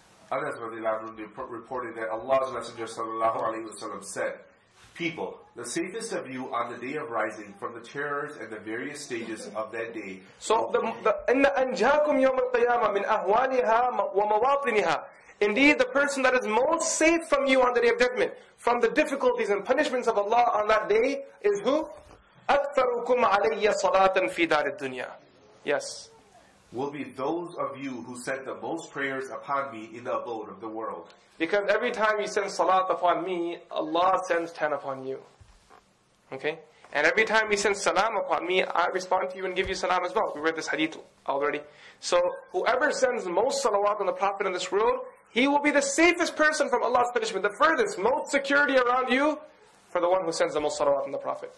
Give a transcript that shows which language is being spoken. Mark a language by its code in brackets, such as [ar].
[en] Anas radiallahu anhu reported that Allah's messenger sallallahu alayhi wasallam said, "People, the safest of you on the day of rising from the terrors and the various stages of that day." So the [ar] inna anjaakum yawm al-qiyamah min ahwaliha wa mawatiniha. [en] Indeed, the person that is most safe from you on the day of judgment, from the difficulties and punishments of Allah on that day, is who? [ar] أكثركم علي صلاة في دار الدنيا. [en] Yes. Will be those of you who said the most prayers upon me in the abode of the world. Because every time you send salat upon me, Allah sends 10 upon you. Okay? And every time you send salam upon me, I respond to you and give you salam as well. We read this hadith already. So whoever sends most salawat on the Prophet in this world, he will be the safest person from Allah's punishment, the furthest, most security around you, for the one who sends the most salawat on the Prophet.